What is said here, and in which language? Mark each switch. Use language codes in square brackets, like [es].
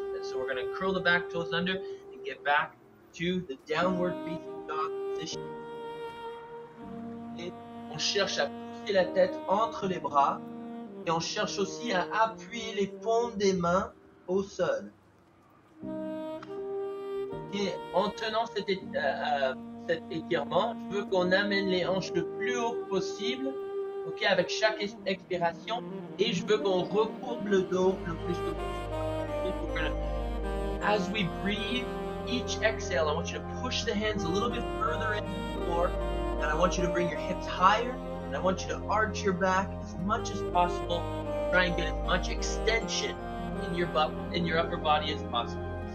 [en] So we're gonna curl the back toes under and get back to the downward facing dog position. [fr] Et on cherche à pousser la tête entre les bras et on cherche aussi à appuyer les paumes des mains au sol. Et en tenant cet étirement, je veux qu'on amène les hanches le plus haut possible, ok, avec chaque expiration, et je veux qu'on recourbe le dos le plus que possible. [en] As we breathe, each exhale, I want you to push the hands a little bit further into the floor, and I want you to bring your hips higher, and I want you to arch your back as much as possible, try and get as much extension in your butt, in your upper body as possible.